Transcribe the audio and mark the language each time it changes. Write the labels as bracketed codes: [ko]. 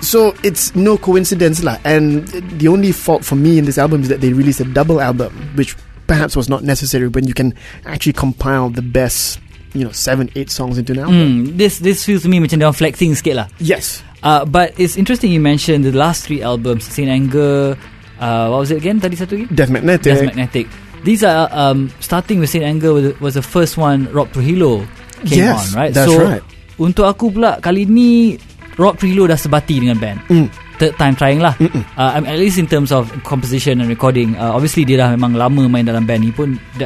[en] So it's no coincidence lah. And the only fault for me in this album is that they released a double album, which perhaps was not necessary when you can actually compile the best, you know, 7-8 songs into an album. This feels to me macam they're flexing [ms] sikit lah. [en] Yes. But it's interesting you mentioned the last three albums, Saint Anger, what was it again? [ms] Tadi satu lagi? [en] Death Magnetic. These are, starting with Saint Anger was the first one Rob Trujillo came on, right? That's so, right. [ms] Untuk aku pula, kali ni Rob Trujillo dah sebati dengan band. [en] Third time trying lah. At least in terms of composition and recording, obviously [ms] dia dah memang lama main dalam band ni pun.